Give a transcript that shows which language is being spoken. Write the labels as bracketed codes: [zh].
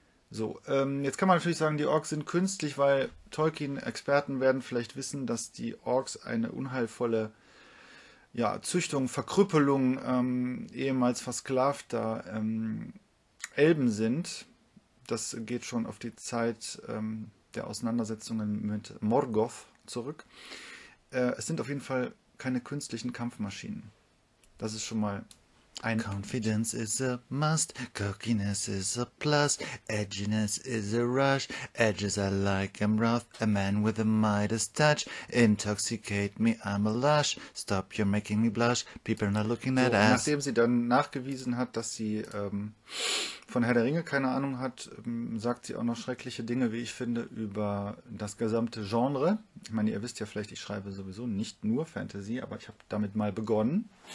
[de] So, jetzt kann man natürlich sagen, die Orks sind künstlich, weil Tolkien-Experten werden vielleicht wissen, dass die Orks eine unheilvolle, ja, Züchtung, Verkrüppelung ehemals versklavter Elben sind. Das geht schon auf die Zeit der Auseinandersetzungen mit Morgoth zurück. Es sind auf jeden Fall keine künstlichen Kampfmaschinen. Das ist schon mal... Ein [en] Confidence is a must, cockiness is a plus, edginess is a rush, edges are like I'm rough, a man with a Midas touch, intoxicate me, I'm a lush, stop, you're making me blush, people are not looking at us. [de] So, nachdem sie dann nachgewiesen hat, dass sie von Herr der Ringe keine Ahnung hat, sagt sie auch noch schreckliche Dinge, wie ich finde, über das gesamte Genre. Ich meine, ihr wisst ja vielleicht, ich schreibe sowieso nicht nur Fantasy, aber ich habe damit mal begonnen.